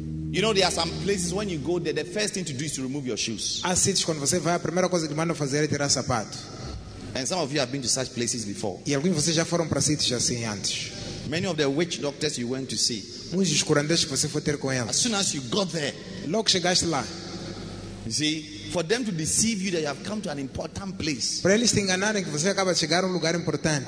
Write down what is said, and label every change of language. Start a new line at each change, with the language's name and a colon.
English: You know, there are some places when you go there, the first thing to do is to remove your shoes.
Portuguese: Há sítios quando você vai, a primeira coisa que mandam fazer é tirar sapato.
English: And some of you have been to such places before.
Portuguese: E alguns de vocês já foram para sítios assim antes.
English: Many of the witch doctors you went to see.
Portuguese: Muitos dos curandeiros que você foi ter com eles.
English: As soon as you got there.
Portuguese: Logo que chegaste lá.
English: You see, for them to deceive you that you have come to an important place.
Portuguese: Para eles te enganarem que você acaba de chegar a lugar importante.